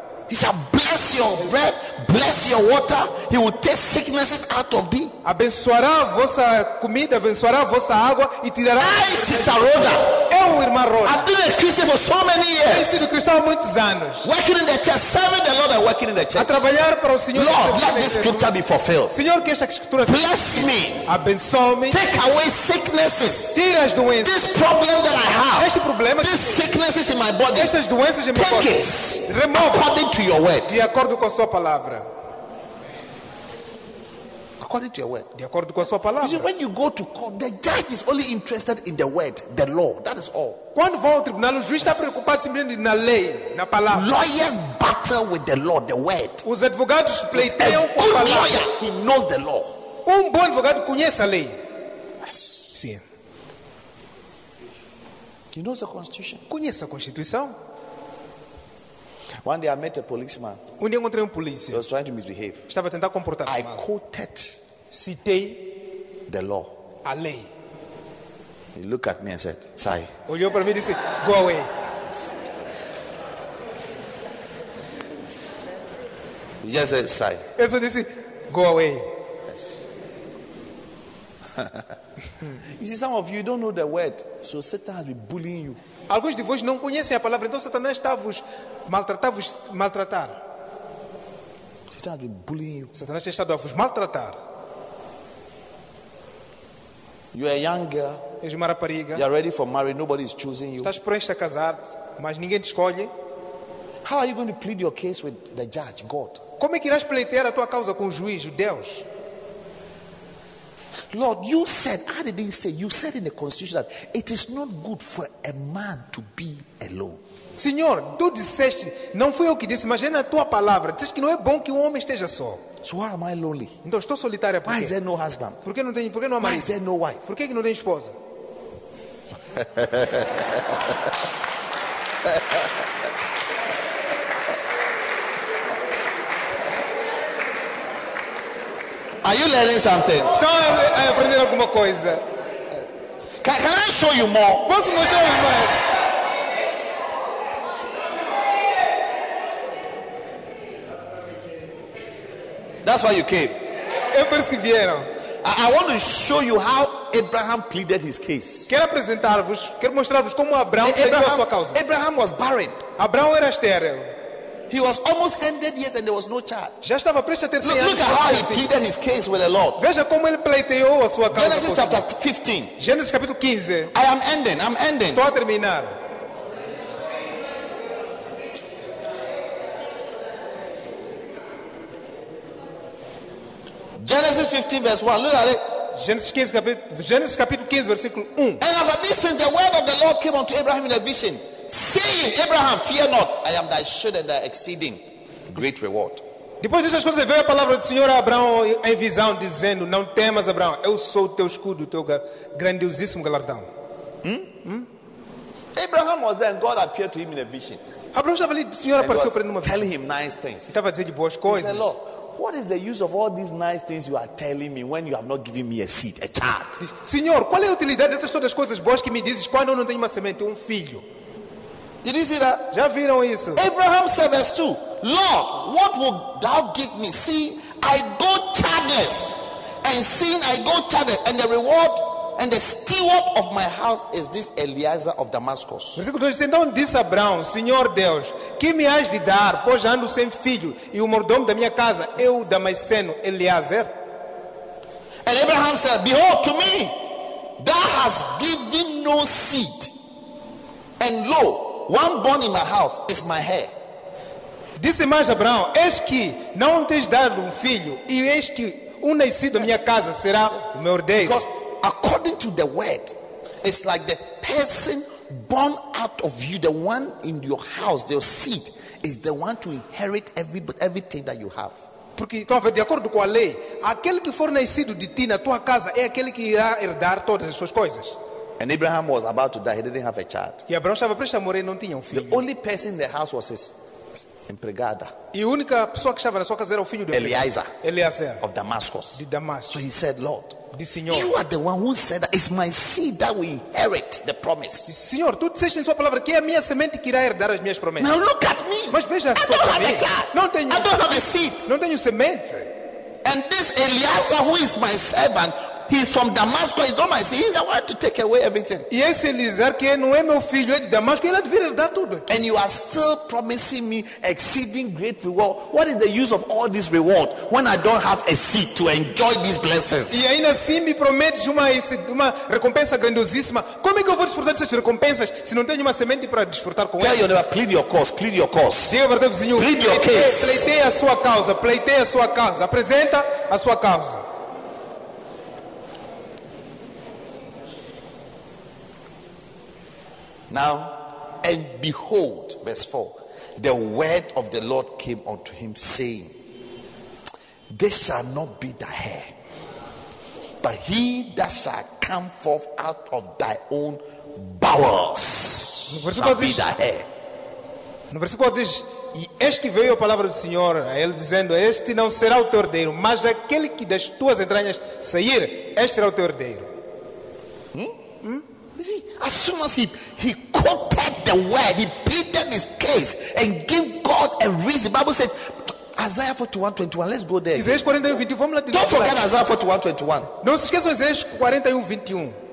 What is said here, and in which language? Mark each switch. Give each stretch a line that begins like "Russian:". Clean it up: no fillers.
English: He shall bless your bread, bless your water. He will take sicknesses out of thee.
Portuguese: Abençoará a vossa comida, abençoará a vossa água e tirará.
English: I, Sister Rhoda.
Portuguese: Eu, irmã Rhoda.
English: I've been a Christian for so many years.
Portuguese: Tenho sido cristão há muitos anos.
English: Working in the church, serving the Lord and working in the church.
Portuguese: A trabalhar para o Senhor.
English: Lord, let this scripture be fulfilled.
Portuguese: Senhor, que esta escritura seja.
English: Bless me.
Portuguese: Abençoa-me.
English: Take away sicknesses.
Portuguese: Tira as doenças.
English: This problem that I have.
Portuguese: Este problema.
English: These sicknesses in my body.
Portuguese: Estas doenças em meu corpo.
English: Take it.
Portuguese: Remove.
English: To your word.
Portuguese: De acordo com a sua palavra.
English: According to your word.
Portuguese: De acordo com a sua palavra.
English: You see, when you go to court, the judge is only interested in the word, the law. That is all.
Portuguese: Quando vão ao tribunal, o juiz está preocupado simplesmente na lei, na palavra.
English: Lawyers battle with the law, the word.
Portuguese: Os advogados pleiteiam com a palavra.
English: A good lawyer, he knows the law.
Portuguese: Bom advogado conhece a lei.
English: Yes.
Portuguese: Sim.
English: He knows the constitution.
Portuguese: Conhece a constituição.
English: One day I met a policeman.
Portuguese: Um dia encontrei polícia.
English: He was trying to misbehave.
Portuguese: Estava a tentar comportar-se mal.
English: I quoted,
Portuguese: citei,
English: the law.
Portuguese: A lei.
English: He looked at me and said,
Portuguese: "Sai." Olhou para mim e disse,
English: "Go away." He just said,
Portuguese: "Sai." Ele só disse,
English: "Go away." Yes. You see, some of you don't know the word, so Satan has been bullying you.
Portuguese: Alguns de vós não conhecem a palavra, então Satanás está a vos maltratar. Satanás está
English: bullying you.
Portuguese: Satanás está a vos maltratar.
English: You are younger.
Portuguese: És uma rapariga.
English: You are ready for marriage. Nobody is choosing you.
Portuguese: Estás prestes a casar, mas ninguém te escolhe.
English: How are you going to plead your case with the judge, God?
Portuguese: Como é que irás pleitear a tua causa com o juiz, Deus?
English: Lord, you said, I didn't say, you said in the constitution that it is not good for a man to be alone.
Portuguese: Senhor, tu disseste, não fui eu que disse, mas é na tua palavra, disseste que não é bom que um homem esteja só.
English: So why am I lonely?
Portuguese: Então estou solitária por quê?
English: Why is there no husband?
Portuguese: Por que não tenho, por que não há marido?
English: Why is there no wife?
Portuguese: Por que não tem esposa?
English: Are you learning something?
Portuguese: Estão a aprender alguma coisa?
English: Can I show you more?
Portuguese: Posso mostrar mais?
English: That's why you came.
Portuguese: É por isso que vieram.
English: I want to show you how Abraham pleaded his case.
Portuguese: Quero apresentar-vos, quero mostrar-vos como Abraão pleiteou a sua causa.
English: Abraham was barren.
Portuguese: Abraão era estéril.
English: He was almost 100 years and there was no charge.
Portuguese: Já estava prestes a ter 100 anos.
English: Look at how he pleaded his case with the Lord.
Portuguese: Veja como ele pleiteou a sua causa.
English: Genesis chapter 15.
Portuguese: Gênesis capítulo 15.
English: I am ending. I'm ending.
Portuguese: Estou a terminar.
English: Genesis 15 verse 1. Look at it.
Portuguese: Genesis capítulo 15 versículo 1.
English: And after this thing, the word of the Lord came unto Abraham in a vision, saying, Abraham, fear not, I am thy shield and thy exceeding great reward.
Portuguese: Depois dessas coisas veio a palavra do Senhor a Abraão em visão dizendo, não temas, Abraão, eu sou o teu escudo, o teu grandiosíssimo galardão.
English: Abraham was there and God appeared to him in a vision.
Portuguese: Abraão estava ali, o Senhor apareceu para ele numa visão.
English: Tell him nice things.
Portuguese: Estava a dizer de boas coisas.
English: He said, Lord, what is the use of all these nice things you are telling me when you have not given me a seed, a child?
Portuguese: Senhor, qual é a utilidade dessas todas as coisas boas que me dizes quando eu não tenho uma semente, um filho?
English: Did you see that?
Portuguese: Já viram isso?
English: Abraham said verse 2, Lord, what will thou give me? See, I go childless, and seeing I go childless, and the reward and the steward of my house is this Eliezer of Damascus.
Portuguese: Versículo 2, então disse Abraão, Senhor Deus, que me hás de dar, pois ando sem filho, e o mordomo da minha casa, eu damasceno, Eliezer.
English: And Abraham said, behold, to me, thou hast given no seed, and lo, one born in my house is my heir.
Portuguese: Disse mais Abraão, eis que não tens dado um filho, e eis que um nascido da minha casa será o meu herdeiro.
English: Because according to the word, it's like the person born out of you, the one in your house, your seed, is the one to inherit everything that you have.
Portuguese: Porque, então, de acordo com a lei, aquele que for nascido de ti na tua casa é aquele que irá herdar todas as suas coisas.
English: And Abraham was about to die. He didn't have a child.
Portuguese: E Abraão estava prestes a morrer, não tinha um filho.
English: The only person in the house was his
Portuguese: empregada. E a única pessoa que estava na sua casa era o filho de Eliezer. Eliezer.
English: Of Damascus.
Portuguese: De Damasco.
English: So he said, Lord,
Portuguese: de Senhor,
English: you are the one who said that it's my seed that will inherit the promise.
Portuguese: Senhor, tu disseste em sua palavra que é a minha semente que irá herdar as minhas promessas.
English: Now look at me.
Portuguese: Mas veja,
English: I don't have a child.
Portuguese: Não tenho.
English: I don't have a seed.
Portuguese: Não tenho semente.
English: And this Eliezer, who is my servant, he's from Damascus. He's not my seed. He's the one to take away everything.
Portuguese: E esse Eliezer que não é meu filho, é de Damasco, ele deveria herdar tudo.
English: And you are still promising me exceeding great reward. What is the use of all this reward when I don't have a seed to enjoy these blessings?
Portuguese: E ainda assim me prometes uma recompensa grandiosíssima. Como é que eu vou desfrutar dessas recompensas se não tenho uma semente para desfrutar com ela?
English: Tell your neighbor, plead your cause. Plead your cause. Plead your case.
Portuguese: Pleitei a sua causa. Pleitei a sua causa. Apresenta a sua causa.
English: Now, and behold, verse 4, the word of the Lord came unto him, saying, this shall not be thy heir, but he that shall come forth out of thy own bowels shall be thy heir.
Portuguese: No versículo 4 diz, e este veio a palavra do Senhor, a ele dizendo, este não será o teu herdeiro, mas aquele que das tuas entranhas sair, este será o teu herdeiro.
English: See, as soon as he quoted the word, he pleaded his case and gave God a reason. The Bible says Isaiah 41:21. Let's go there.
Portuguese: Isaiah 41:21. Vamos lá.
English: Don't forget Isaiah 41:21.
Portuguese: Não se esqueça de Isaiah 41:21.